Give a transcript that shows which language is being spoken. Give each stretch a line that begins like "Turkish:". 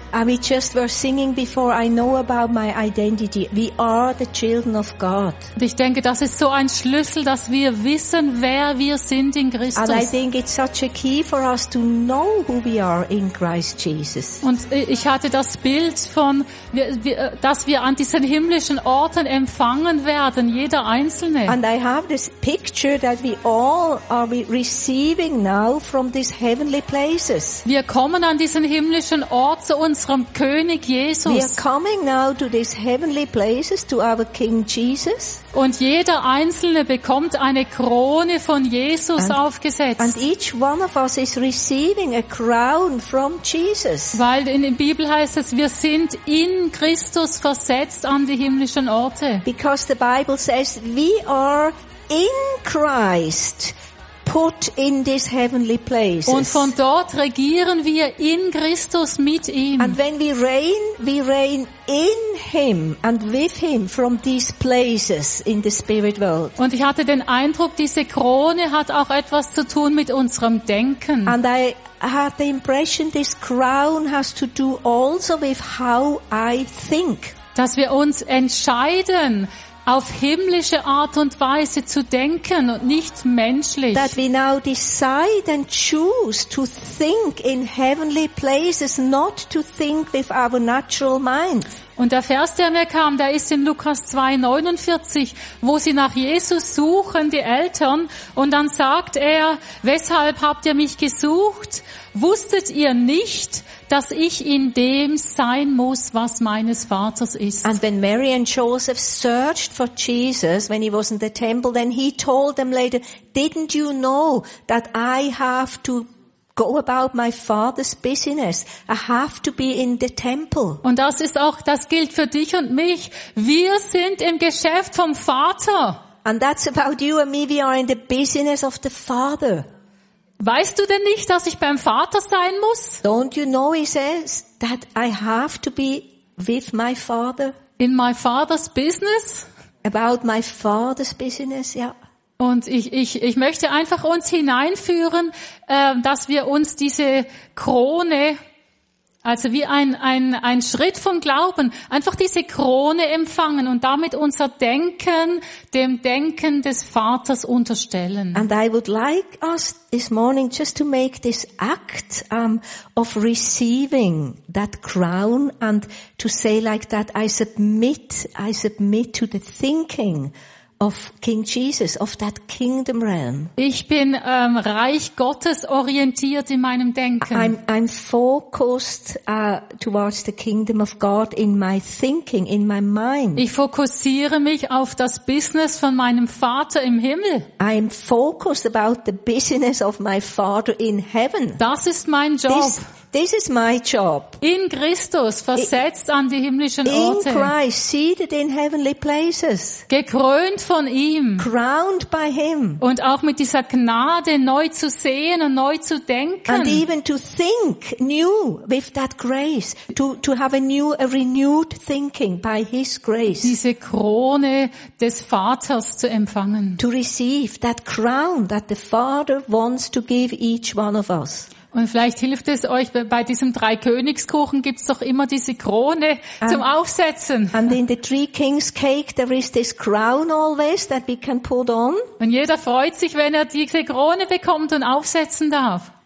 English: And we just were singing before, I know about my identity. We are the children of God.
German: Und ich denke, das ist so ein Schlüssel, dass wir wissen, wer wir sind in Christus.
English: And I think it's such a key for us to know who we are in Christ Jesus.
German: Und ich hatte das Bild von, dass wir an diesen himmlischen Orten empfangen werden, jeder Einzelne.
English: And I have this picture that we all are receiving now from these heavenly places.
German: Wir kommen an diesen himmlischen Ort zu unserem König Jesus.
English: We are coming now to these heavenly places, to our King Jesus.
German: Und jeder Einzelne bekommt eine Krone von Jesus aufgesetzt.
English: And each one of us is receiving a crown from Jesus.
German: Weil in der Bibel heißt es, wir sind in Christus versetzt an die himmlischen Orte.
English: Because the Bible says we are in Christ. Put in this heavenly places.
German: Und von dort regieren wir in Christus mit ihm.
English: And when we reign in him and with him from these places in the spirit world.
German: Und ich hatte den Eindruck, diese Krone hat auch etwas zu tun mit unserem Denken.
English: And I had the impression this crown has to do also with how I think.
German: Dass wir uns entscheiden, auf himmlische Art und Weise zu denken und nicht menschlich.
English: That we now decide and choose to think in heavenly places, not to think with our natural minds.
German: Und der Vers, der mir kam, der ist in Lukas 2,49, wo sie nach Jesus suchen, die Eltern, und dann sagt er, weshalb habt ihr mich gesucht? Wusstet ihr nicht, dass ich in dem sein muss, was meines Vaters ist?
English: And when Mary and Joseph searched for Jesus, when he was in the temple, then he told them later, didn't you know that I have to go about my father's business. I have to be in the temple.
German: Und das ist auch, das gilt für dich und mich. Wir sind im Geschäft vom Vater.
English: And that's about you and me. We are in the business of the Father.
German: Weißt du denn nicht, dass ich beim Vater sein muss?
English: Don't you know, he says, that I have to be with my father? In my father's business? About my father's business, yeah.
German: Und ich möchte einfach uns hineinführen, dass wir uns diese Krone, also wie ein Schritt vom Glauben, einfach diese Krone empfangen und damit unser Denken dem Denken des Vaters unterstellen.
English: And I would like us this morning just to make this act of receiving that crown and to say like that, I submit to the thinking of King Jesus, of that kingdom realm.
German: Ich bin Reich Gottes orientiert in meinem Denken.
English: I'm focused towards the kingdom of God in my thinking, in my mind.
German: Ich fokussiere mich auf das Business von meinem Vater im Himmel.
English: I'm focused about the business of my Father in heaven.
German: Das ist mein Job.
English: This, This is my job.
German: In Christus versetzt an die himmlischen Orte.
English: In Christ seated in heavenly places.
German: Gekrönt von ihm.
English: Crowned by him.
German: Und auch mit dieser Gnade neu zu sehen und neu zu denken.
English: And even to think new with that grace, to have a renewed thinking by his grace.
German: Diese Krone des Vaters zu empfangen.
English: To receive that crown that the Father wants to give each one of us.
German: Und vielleicht hilft es euch, bei diesem Dreikönigskuchen gibt's doch immer diese Krone zum Aufsetzen.
English: And in the Three Kings cake there is this crown always that we can put on.
German: Und jeder freut sich, wenn er diese Krone bekommt und aufsetzen darf.